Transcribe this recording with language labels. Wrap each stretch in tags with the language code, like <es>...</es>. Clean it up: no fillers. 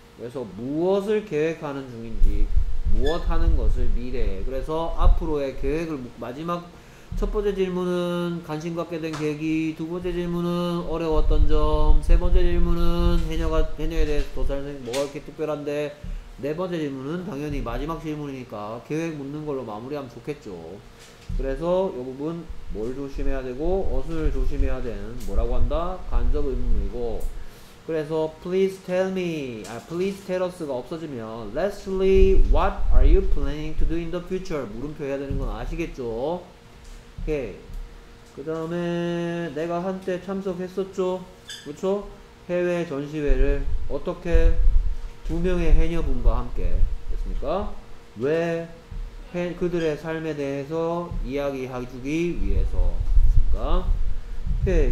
<ko>그래서 무엇을 계획하는 중인지, 무엇 하는 것을 미래에, 그래서 앞으로의 계획을 마지막 첫 번째 질문은 관심 갖게 된 계기, 두 번째 질문은 어려웠던 점, 세 번째 질문은 해녀에 대해서 도살생 뭐가 이렇게 특별한데, 네 번째 질문은 당연히 마지막 질문이니까 계획 묻는 걸로 마무리하면 좋겠죠. 그래서 이 부분 뭘 조심해야 되고 어순을 조심해야 되는 뭐라고 한다? 간접 의문이고, 그래서</ko> <en>please tell me, please tell us</en> <ko>가 없어지면</ko> <en>Leslie, what are you planning to do in the future?</en> <ko>물음표 해야 되는 건 아시겠죠? 오케이. 그 다음에 내가 한때 참석했었죠? 그쵸? 해외 전시회를 어떻게 두 명의 해녀분과 함께 했습니까? 왜 그들의 삶에 대해서 이야기해주기 위해서 했습니까? 오케이.</ko>